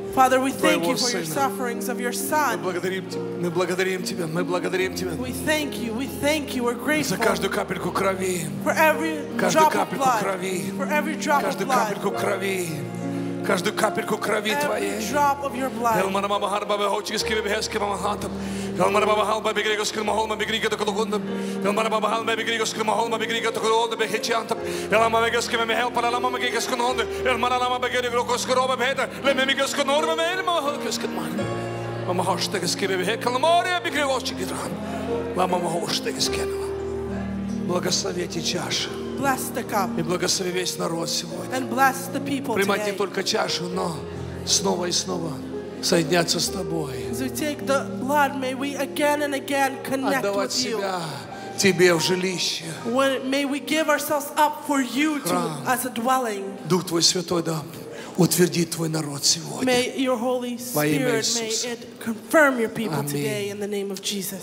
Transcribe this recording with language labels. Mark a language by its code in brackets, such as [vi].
[en] Father, we thank you for your sufferings of your Son. [ru] Мы благодарим Тебя. [en] We thank you. We're grateful. [ru] За каждую капельку крови. [en] For every drop of blood. For every drop of blood. [ru] Каждую капельку крови. Каждую капельку крови Твоей. [en] Bless the cup. [ru] И благослови весь народ сегодня. [en] And bless the people today. [ru] Принимать не только чашу, но снова и снова соединяться с тобой. [en] As we take the blood, may we again and again connect with you. [ru] Отдавать себя тебе в жилище. [en] May we give ourselves up for you to, as a dwelling. [ru] Дух твой святой да утвердит твой народ сегодня. [en] May your Holy Spirit may it confirm your people today in the name of Jesus.